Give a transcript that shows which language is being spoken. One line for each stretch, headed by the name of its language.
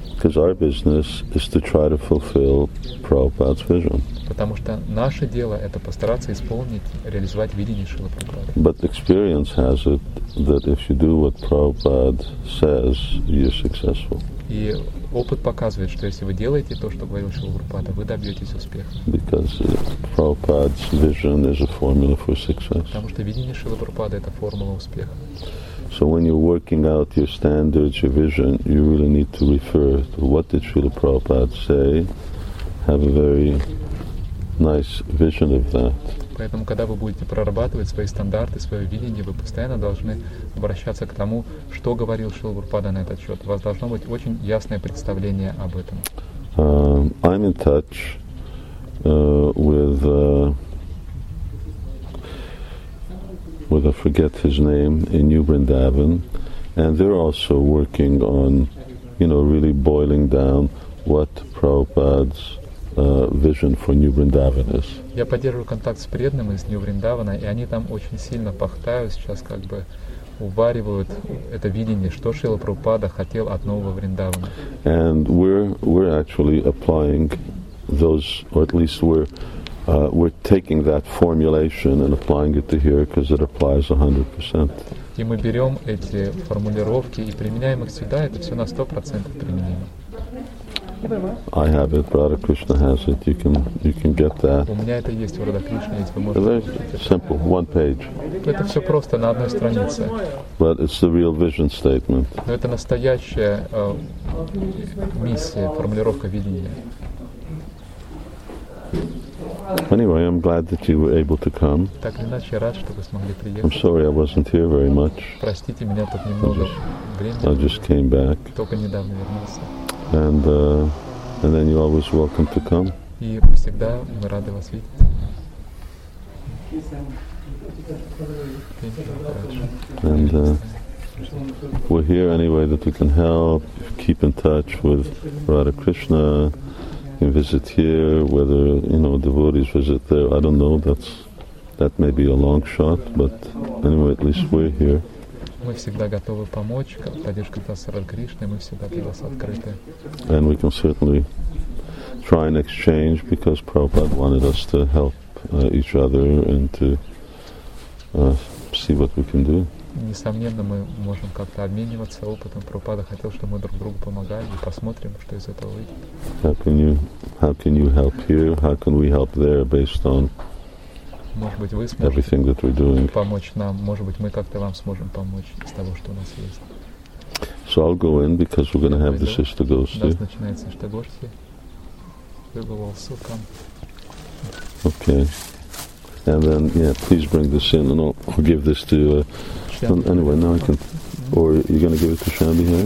English: Because our business is to try to fulfill Prabhupada's vision.
Russian: Потому что наше дело это постараться исполнить, реализовать видение Шрилы Прабхупады.
English: But experience has it that if you do what Prabhupada says, you're successful.
Russian: И опыт показывает, что если вы делаете то, что говорил Шрила Прабхупада, вы добьетесь успеха.
English: Because Prabhupada's vision is a formula for success.
Russian: Потому что видение Шрилы Прабхупады это формула успеха.
English: So when you're working out your standards, your vision, you really need to refer to what did Srila Prabhupada say, have a very nice vision of that.
Russian: Поэтому, когда вы будете прорабатывать свои стандарты, свое видение, вы постоянно должны обращаться к тому, что говорил Шрила Прабхупада на этот счет. У вас должно быть очень ясное представление об этом.
English: I'm in touch with... I forget his name, in New Vrindavan, and they're also working on, you know, really boiling down what Prabhupada's vision for New Vrindavan is.
Russian: Я поддерживаю контакт с преданным из Нью-Вриндавана, и они там очень сильно пахтают сейчас, как бы уваривают это видение, что Шрила Прабхупада хотел от нового Вриндавана.
English: And we're actually applying those, or at least we're taking that formulation and applying it to here because it applies 100%.
Russian: И мы берем эти формулировки и применяем их сюда, это все на 100% применимо.
English: I have it, Radha Krishna has it. You can get that.
Russian: У меня это есть, у Радха Кришны есть, вы можете.
English: Very simple, one page.
Russian: Это все просто на одной странице.
English: But it's the real vision statement.
Russian: Но это настоящая миссия, формулировка видения.
English: Anyway, I'm glad that you were able to come.
Russian: Так или иначе, рад, что вы смогли приехать.
English: I'm sorry I wasn't here very much.
Russian: Простите меня тут немного времени.
English: I just came back.
Russian: Только недавно вернулся.
English: And then you're always welcome to come.
Russian: И всегда мы рады вас видеть.
English: And we're here anyway that we can help, keep in touch with Radha Krishna. You can visit here, whether, you know, devotees visit there, I don't know, that may be a long shot, but anyway, at least we're here.
Russian: Мы всегда готовы помочь, поддержка Тасара Кришны, мы всегда для вас открыты.
English: And we can certainly try and exchange, because Prabhupada wanted us to help each other and to see what we can do.
Russian: Несомненно, мы можем как-то обмениваться опытом. Прабхупада хотел, чтобы мы друг другу помогали, и посмотрим, что из этого выйдет.
English: How can you help here? How can we help there based on everything that we're doing?
Russian: Помочь нам, может быть, мы как-то вам сможем помочь из того, что у нас есть.
English: So I'll go in because we're going to have the sister go see.
Russian: Начинается
English: sister go see. We will also come. Okay. And then, yeah, please bring this in, and I'll give this to. Anyway, now I can. Or you're going to give it to Shambi here?